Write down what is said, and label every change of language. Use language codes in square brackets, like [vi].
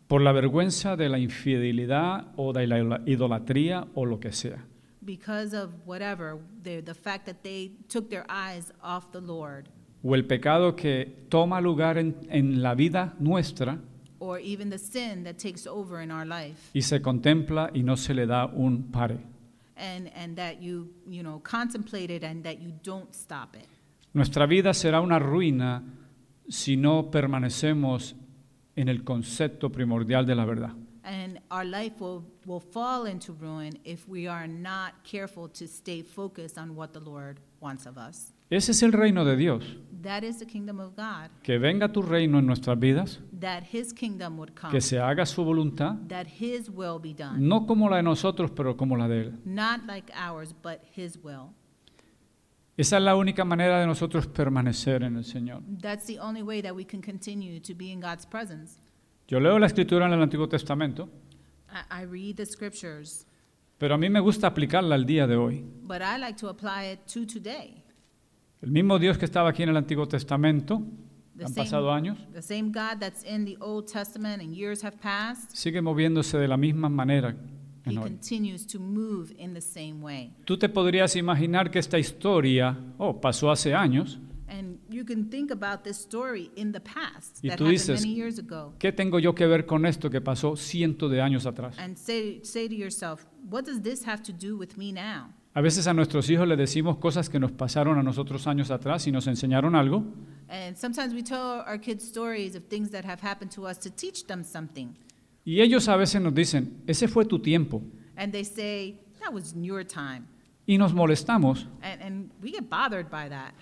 [es] Por la vergüenza de la infidelidad o de la idolatría o lo que sea. [en] Because of whatever, the fact that they took their eyes off the Lord. [es] O el pecado que toma lugar en la vida nuestra. [en] Or even the sin that takes over in our life. [es] Y se contempla y no se le da un pare. [en] And that you contemplate it and that you don't stop it. [es] Nuestra vida será una ruina si no permanecemos en el concepto primordial de la verdad. [en] And our life will fall into ruin if we are not careful to stay focused on what the Lord wants of us. [es] Ese es el reino de Dios. [en] That is the kingdom of God. [es] Que venga tu reino en nuestras vidas. [en] That his kingdom would come. [es] Que se haga su voluntad. [en] That his will be done. [es] No como la de nosotros, pero como la de él. [en] Not like ours, but his will. [es] Esa es la única manera de nosotros permanecer en el Señor. [en] That's the only way that we can continue to be in God's presence. [es] Yo leo la escritura en el Antiguo Testamento. [en] I read the scriptures. [es] Pero a mí me gusta aplicarla al día de hoy. [en] But I like to apply it to today. [es] El mismo Dios que estaba aquí en el Antiguo Testamento, han pasado años. [en] The same God that's in the Old Testament and years have passed. [es] Sigue moviéndose de la misma manera. [en] He continues to move in the same way. [es] Tú te podrías imaginar que esta historia, pasó hace años. [en] And you can think about this story in the past that happened dices, many years ago. [es] ¿Qué tengo yo que ver con esto que pasó cientos de años atrás? [en] And say to yourself, what does this have to do with me now? [es] A veces a nuestros hijos les decimos cosas que nos pasaron a nosotros años atrás y nos enseñaron algo. [en] And sometimes we tell our kids stories of things that have happened to us to teach them something. [es] Y ellos a veces nos dicen, ese fue tu tiempo. [en] And they say, that was your time. [es] Y nos molestamos. [en] And we get bothered by that.